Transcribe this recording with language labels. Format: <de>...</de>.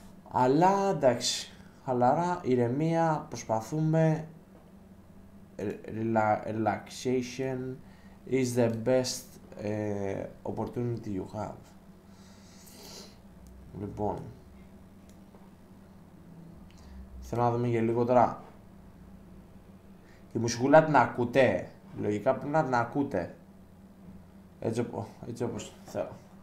<el>Αλλά εντάξει, χαλαρά, ηρεμία, προσπαθούμε.</el> <en>Relaxation is the best opportunity you have.</en> <el>Λοιπόν, θέλω να δούμε για λίγο τώρα. Η μουσικούλα την ακούτε, λογικά πρέπει να την ακούτε. Έτσι όπως θέλω.</el>